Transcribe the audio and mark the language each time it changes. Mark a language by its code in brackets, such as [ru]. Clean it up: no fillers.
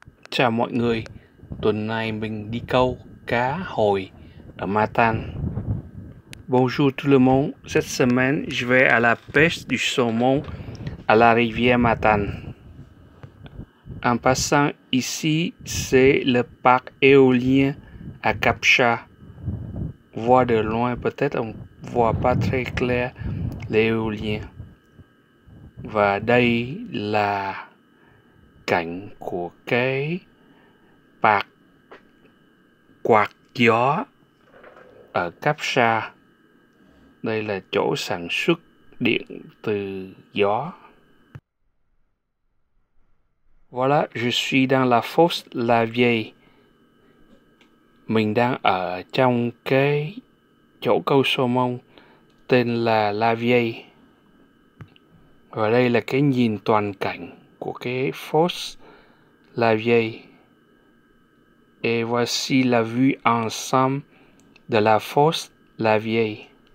[vi] Chào mọi người, tuần này mình đi câu cá hồi ở Matane. [fr] Bonjour tout le monde, cette semaine je vais à la pêche du saumon à la rivière Matane. En passant ici, c'est le parc éolien à Capcha. Voir de loin, peut-être on voit pas très clair l'éolien. [vi] Và đây là cảnh của cái bạc quạt gió ở Captcha. Đây là chỗ sản xuất điện từ gió. [fr] Voilà, je suis dans la fosse la vieille. [vi] Mình đang ở trong cái chỗ câu salmon tên là la vieille. Và đây là cái nhìn toàn cảnh của cái fosse la vieille. [fr] Et voici la vue ensemble de la fosse la vieille.